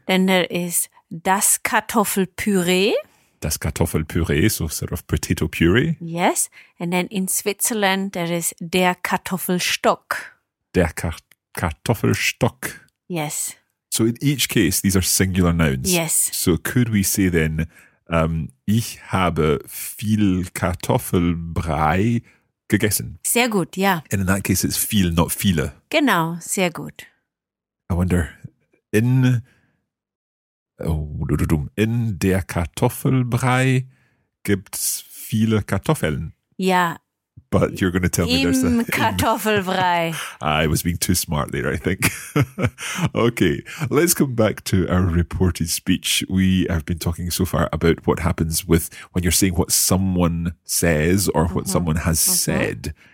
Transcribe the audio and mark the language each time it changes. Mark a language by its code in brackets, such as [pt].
[en] Then there is das Kartoffelpüree. Das Kartoffelpüree, so sort of potato puree. Yes. And then in Switzerland, there is der Kartoffelstock. [de] Kartoffelstock. [en] Yes. So in each case, these are singular nouns. Yes. So could we say then, [de] ich habe viel Kartoffelbrei gegessen? Sehr gut, yeah. [en] And in that case, it's viel, not viele. [de] Genau, sehr gut. [en] I wonder, [de] in der Kartoffelbrei gibt's viele Kartoffeln. Ja. [en] But you're going to tell me there's a... [de] Im Kartoffelbrei. [en] I was being too smart there, I think. Okay, let's come back to our reported speech. We have been talking so far about what happens with when you're saying what someone says or what mm-hmm. someone has mm-hmm. said.